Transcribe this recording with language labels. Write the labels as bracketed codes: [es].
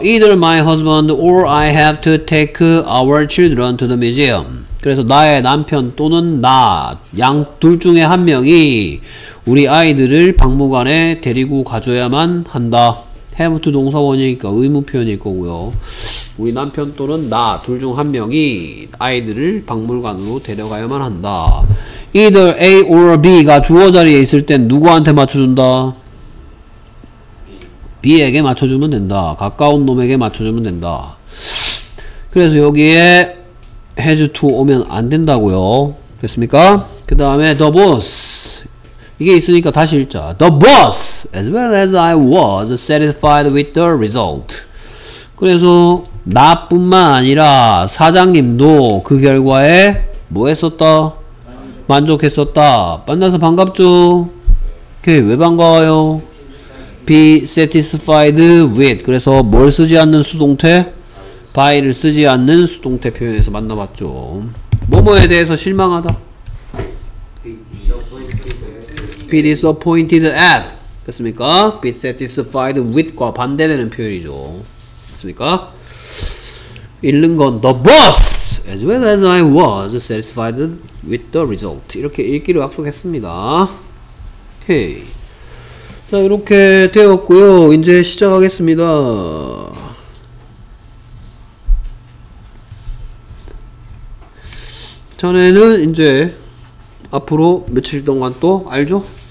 [en] Either my husband or I have to take our children to the museum. [ko] 그래서 나의 남편 또는 나 양 둘 중에 한 명이 우리 아이들을 박물관에 데리고 가줘야만 한다. have to 동사원이니까 의무 표현일 거고요. 우리 남편 또는 나 둘 중 한 명이 아이들을 박물관으로 데려가야만 한다. [en] Either A or B [ko] 가 주어 자리에 있을 땐 누구한테 맞춰준다? B에게 맞춰주면 된다. 가까운 놈에게 맞춰주면 된다. 그래서 여기에 has to 오면 안 된다고요. 됐습니까? 그 다음에 the boss 이게 있으니까 다시 읽자. [en] the boss as well as I was satisfied with the result. [ko] 그래서 나뿐만 아니라 사장님도 그 결과에 뭐 했었다? 만족했었다. 만나서 반갑죠? 오케이. 왜 반가워요? [en] be satisfied with. [ko] 그래서 뭘 쓰지 않는 수동태? by를 쓰지 않는 수동태 표현에서 만나봤죠. 뭐뭐에 대해서 실망하다. [en] be disappointed at. [ko] 됐습니까? [en] be satisfied with과 [ko] 반대되는 표현이죠. 됐습니까? [en] 읽는 건 the boss as well as I was satisfied with the result. [ko] 이렇게 읽기로 약속했습니다. 오케이. 자, 이렇게 되었고요. 이제 시작하겠습니다. 전에는 이제 앞으로 며칠 동안 또 알죠?